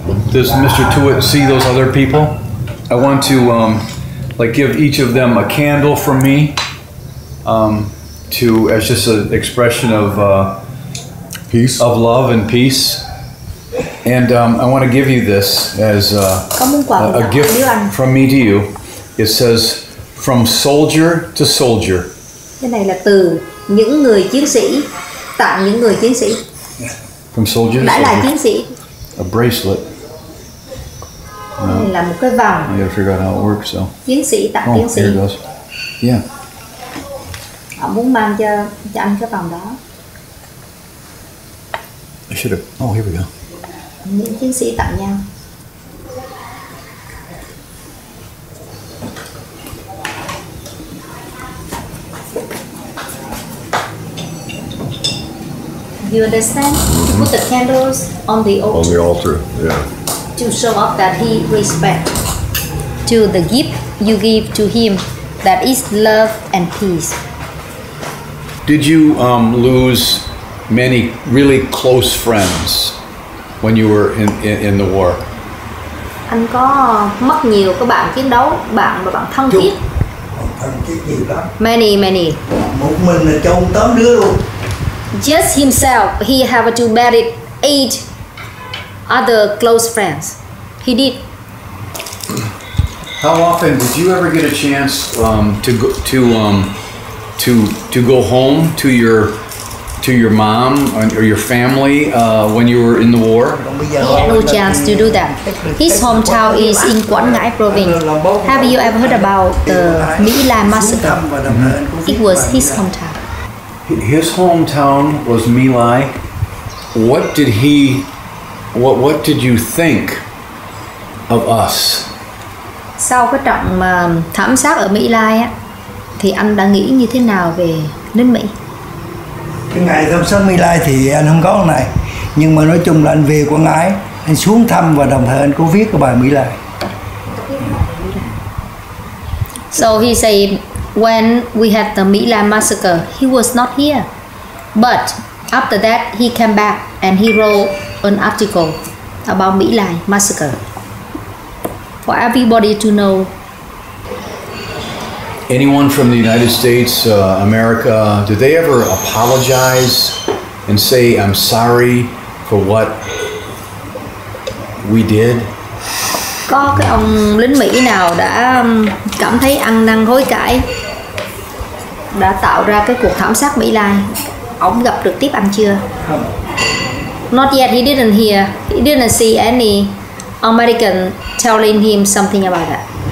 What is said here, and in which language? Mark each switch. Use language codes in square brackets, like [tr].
[en] Does Mr. Tuitt see those other people? I want to give each of them a candle from me, to, as just an expression of peace, of love and peace. And I want to give you this as a gift from me to you. It says, from soldier to soldier. [vi] Cái này là từ những người chiến sĩ tặng những người chiến sĩ. [en] From soldier to soldier. [vi] Đã là chiến sĩ. [en] A bracelet. [vi] Là một cái vòng. [en] I gotta figure out how it works, so. [vi] Chiến sĩ tặng chiến sĩ. [en] Oh, here it goes. Yeah. [vi] Họ muốn mang cho anh cái vòng đó. [en] I should have. Oh, here we go. [vi] Những chiến sĩ tặng nhau. [en] You understand? Mm-hmm. Put the candles on the altar. On the altar, yeah. To show up that he respect to the gift you give to him, that is love and peace. Did you lose many really close friends when you were in the war? [vi] Anh có mất nhiều các bạn chiến đấu, bạn và bạn thân thiết. [en] Many, many. [vi] Một mình là chồng 8 đứa luôn. [en] Just himself, he have to bury 8 other close friends. He did. How often did you ever get a chance to go home to your mom or your family when you were in the war? He had no chance to do that. His hometown is in Quảng Ngãi province. Have you ever heard about the Mỹ Lai massacre? Mm-hmm. It was his hometown. His hometown was My Lai. What did he, what did you think of us? [vi] Sau cái trận thảm sát ở Mỹ Lai á, thì anh đã nghĩ như thế nào về nước Mỹ? Cái ngày thảm sát Mỹ Lai thì anh không có cái này. Nhưng mà nói chung là anh về Quảng Ngãi, anh xuống thăm và đồng thời anh có viết cái bài Mỹ Lai. [en] So he said, when we had the My Lai massacre, he was not here. But after that, he came back and he wrote an article about My Lai massacre. For everybody to know. Anyone from the United States, America, did they ever apologize and say, I'm sorry for what we did? [vi] Có cái ông lính Mỹ nào đã cảm thấy ăn năn hối cải, đã tạo ra cái cuộc thảm sát Mỹ Lai, ông gặp trực tiếp anh chưa? [en] Not yet, he didn't hear. He didn't see any American telling him something about that.